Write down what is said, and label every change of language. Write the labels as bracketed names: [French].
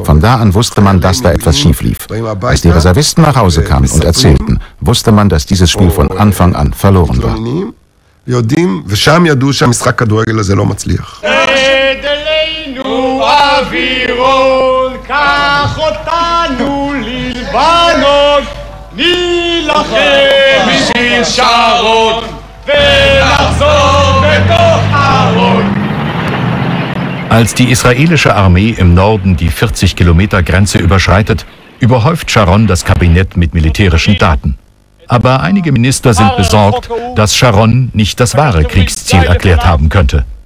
[German] Von da an wusste man, dass da etwas schief lief. Als die Reservisten nach Hause kamen und erzählten, wusste man, dass dieses Spiel von Anfang an verloren war. [Hebrew] נילחם בשביל שרון ונחזור בתוך ארון. [German] Als die israelische Armee im Norden die 40 Kilometer Grenze überschreitet, überhäuft Sharon das Kabinett mit militärischen Daten. Aber einige Minister sind besorgt, dass Sharon nicht das wahre Kriegsziel erklärt haben könnte.